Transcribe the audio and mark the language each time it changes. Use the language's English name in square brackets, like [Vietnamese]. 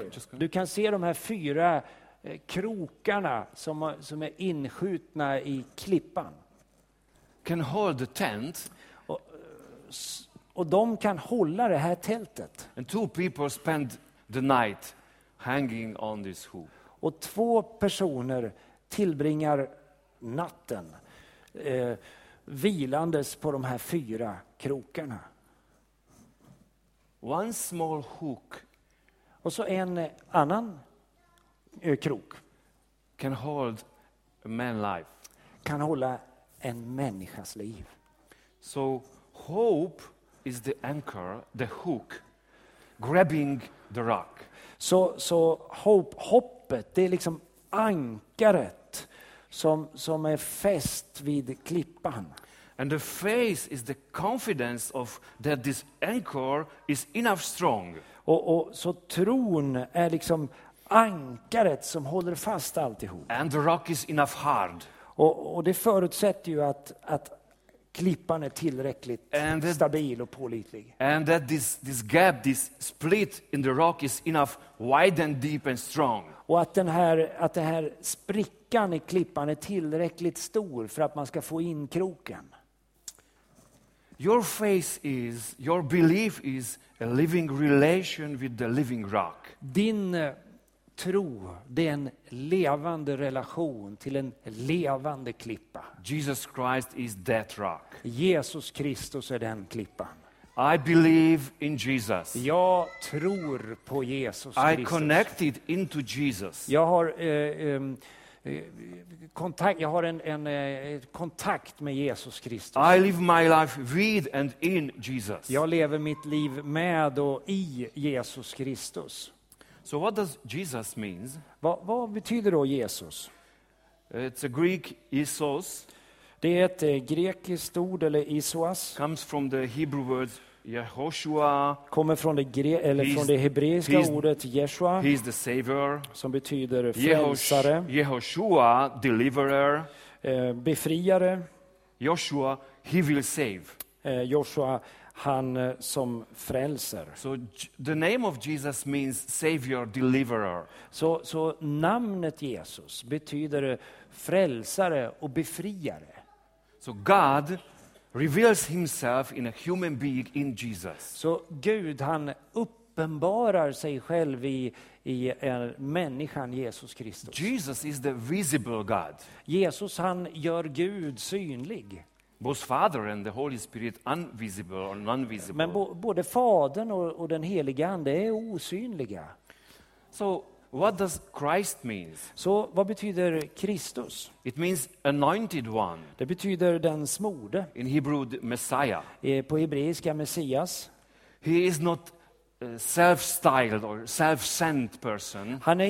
[Swedish] Du kan se de här fyra krokarna som är inskjutna i klippan. [English] Can hold the tent. [Swedish] Och de kan hålla det här tältet. [English] And two people spend the night hanging on this hook. [Swedish] Och två personer tillbringar natten vilandes på de här fyra krokarna. [English] One small hook. [Swedish] Och så en annan krok. [English] Can hold a man's life. [Swedish] Kan hålla en människas liv. [English] So hope is the anchor, the hook, grabbing the rock. [Swedish] Så hoppet, det är liksom ankaret som är fäst vid klippan. [English] And the faith is the confidence of that this anchor is enough strong. [Swedish] Och så tron är liksom ankaret som håller fast alltihop. [English] And the rock is enough hard. [Swedish] Och det förutsätter ju att klippan är tillräckligt stabil och pålitlig. [English] And that this gap, this split in the rock is enough wide and deep and strong. [Swedish] Och att den här sprickan i klippan är tillräckligt stor för att man ska få in kroken. [English] Your faith is, your belief is a living relation with the living rock. [Swedish] Din tro, det är en levande relation till en levande klippa. [English] Jesus Christ is that rock. [Swedish] Jesus Kristus är den klippan. [English] I believe in Jesus. [Swedish] Jag tror på Jesus Kristus. [English] I connected into Jesus. [Swedish] Jag har kontakt. Jag har en kontakt med Jesus Kristus. [English] I live my life with and in Jesus. [Swedish] Jag lever mitt liv med och i Jesus Kristus. [English] So what does Jesus mean? [Swedish] Vad betyder då Jesus? [English] It's a Greek isos. [Swedish] Det är ett grekiskt ord eller isos. [English] Comes from the Hebrew word Yehoshua. [Swedish] Kommer från det hebreiska ordet Yeshua. [English] He is the savior. [Swedish] Som betyder frälsare. [English] Yehoshua, deliverer. [Swedish] Befriare. [English] Joshua, he will save. [Swedish] Joshua, han som frälser. [English] So the name of Jesus means savior, deliverer. [Swedish] Så namnet Jesus betyder frälsare och befriare. [English] So God reveals himself in a human being in Jesus. [Swedish] Så Gud, han uppenbarar sig själv i en människan Jesus Kristus. [English] Jesus is the visible God. [Swedish] Jesus, han gör Gud synlig. [English] Both Father and the Holy Spirit invisible or non-visible. [Swedish] Men både Fadern och den helige Ande är osynliga. [English] So what does Christ mean? [Swedish] Så vad betyder Kristus? [English] It means anointed one. [Swedish] Det betyder den smorde. [English] In Hebrew, Messiah. [Swedish] På hebreiska Messias. [English] He is not self-styled or self-sent person.